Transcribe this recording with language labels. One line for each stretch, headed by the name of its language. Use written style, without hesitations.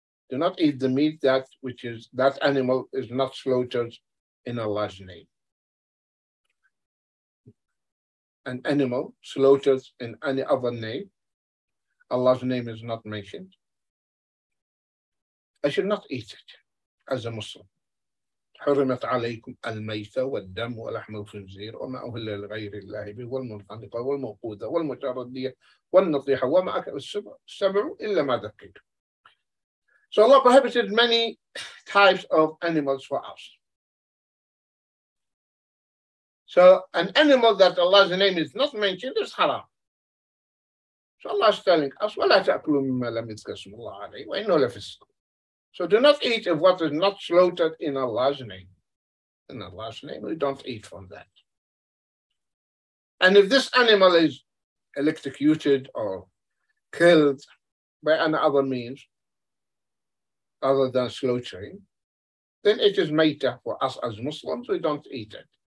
English: Do not eat the meat that which is that animal is not slaughtered in Allah's name. An animal slaughtered in any other name, Allah's name is not mentioned, I should not eat it as a Muslim.
Arabic: حرمت عليكم الميتة والدم ولحم الخنزير وما أهل لغير الله به والمنخنقة والموقوذة والمتردية والنطيحة وما أكل السبع إلا ما ذكيت.
English: So Allah prohibited many types of animals for us. So an animal that Allah's name is not mentioned is haram. So Allah is telling us,
Arabic: وَلَا تَأْكُلُوا مِمَّا لَمْ يُذْكَرِ اسْمُ اللَّهِ عَلَيْهِ وَإِنَّهُ لَفِسْقٌ.
English: So do not eat of what is not slaughtered in Allah's name. In Allah's name, we don't eat from that. And if this animal is electrocuted or killed by any other means other than slaughtering, then it is maita for us as Muslims, we don't eat it.